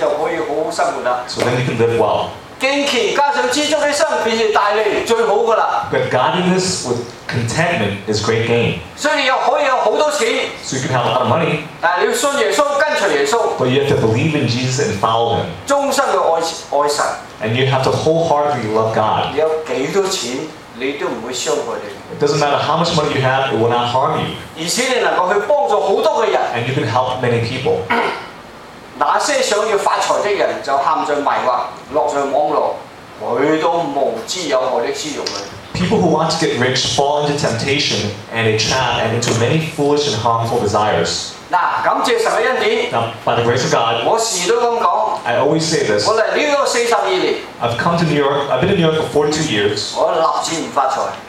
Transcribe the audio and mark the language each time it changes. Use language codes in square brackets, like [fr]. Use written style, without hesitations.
[zh] 所以你就可以好好生活了, [en] so then you can live well. [zh] 健康加上知足的心便是大利最好的了, [en] but godliness with contentment is great gain. [zh] 所以你又可以有很多钱, [en] so you can have a lot of money. [zh] 但你要信耶稣, 跟随耶稣, [en] but you have to believe in Jesus and follow him. [zh] 终身的爱神, [en] and you have to wholeheartedly love God. [zh] 你有多少钱, 你都不会伤害你, [en] it doesn't matter how much money you have, it will not harm you. [zh] 而且你能够去帮助很多的人, [en] and you can help many people. [zh] 那些想要发财的人就陷在迷惑，落在网络，许多无知有害的私欲里。 [en] People who want to get rich fall into temptation and a trap and into many foolish and harmful desires. [zh] 那感谢神的恩典, [en] now, by the grace of God, [zh] 我时都这么说, [en] I always say this. [zh] 我来纽约42年, [en] I've come to New York, I've been in New York for 42 years. [zh] 我立志不发财,